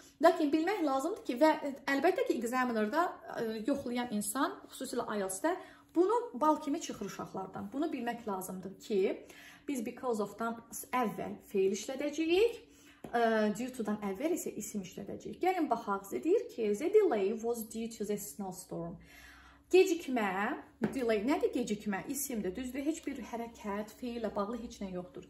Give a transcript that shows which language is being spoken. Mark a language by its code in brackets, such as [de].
[az] Lakin bilmək lazımdır ki, və əlbəttə ki, examinerda yoxlayan insan, xüsusilə IELTS-də bunu bal kimi çıxır uşaqlardan. Bunu bilmək lazımdır ki, biz because of-dan əvvəl feil işlədəcəyik, due to-dan əvvəl isə isim işlədəcəyik. Gəlin baxaq, Z deyir ki, [en] "The delay was due to the snowstorm." [az] Gecikmə, delay, nədir gecikmə? İsimdir, düzdür, heç bir hərəkət, feillə bağlı heç nə yoxdur.